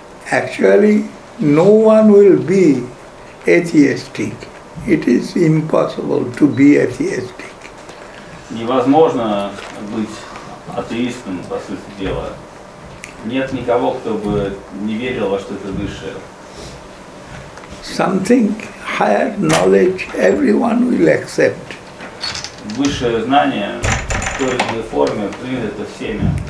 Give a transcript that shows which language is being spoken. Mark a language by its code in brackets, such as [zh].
[en] Actually, no one will be atheistic. It is impossible to be atheistic. [ru] Невозможно быть атеистом, по сути дела. Нет никого, кто бы не верил во что-то высшее. [en] Something higher knowledge everyone will accept. [ru] Высшее знание в той или иной форме принято всеми.